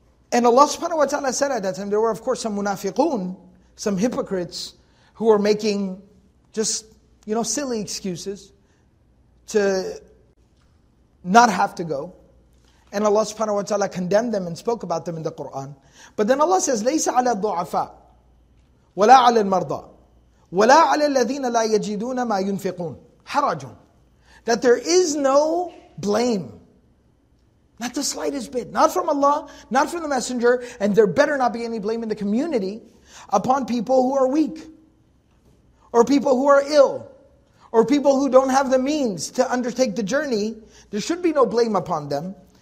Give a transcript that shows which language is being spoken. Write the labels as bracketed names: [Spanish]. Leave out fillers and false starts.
[English] And Allah subhanahu wa ta'ala said at that time, there were of course some munafiqun, some hypocrites who were making just, you know, silly excuses to not have to go. And Allah subhanahu wa ta'ala condemned them and spoke about them in the Qur'an. But then Allah says, [Arabic] لَيْسَ عَلَى الضُّعَفَاء وَلَا عَلَى الْمَرْضَى وَلَا عَلَى الَّذِينَ لَا يَجِدُونَ مَا يُنْفِقُونَ حَرَجٌ. [English] That there is no blame. Not the slightest bit. Not from Allah, not from the Messenger, and there better not be any blame in the community upon people who are weak, or people who are ill, or people who don't have the means to undertake the journey. There should be no blame upon them.